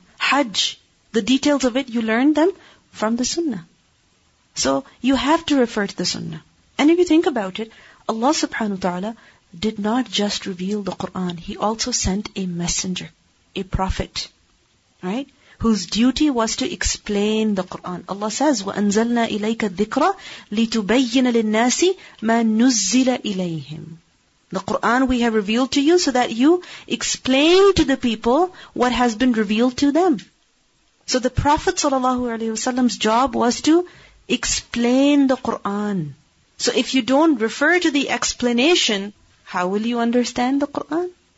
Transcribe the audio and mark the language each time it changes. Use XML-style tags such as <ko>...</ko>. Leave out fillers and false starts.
<en>Hajj, the details of it, you learn them from the Sunnah. So, you have to refer to the Sunnah. And if you think about it, Allah subhanahu wa ta'ala did not just reveal the Quran. He also sent a messenger, a prophet, right? whose duty was to explain the Quran.</en> <ar>Allah says, وَأَنزَلْنَا إِلَيْكَ الذِّكْرَ لِتُبَيِّنَ لِلنَّاسِ مَا نُزِّلَ إِلَيْهِمْ.</ar> <en>The Quran we have revealed to you so that you explain to the people what has been revealed to them. So the Prophet ﷺ's job was to explain the Quran. So if you don't refer to the explanation, how will you understand the Quran?</en>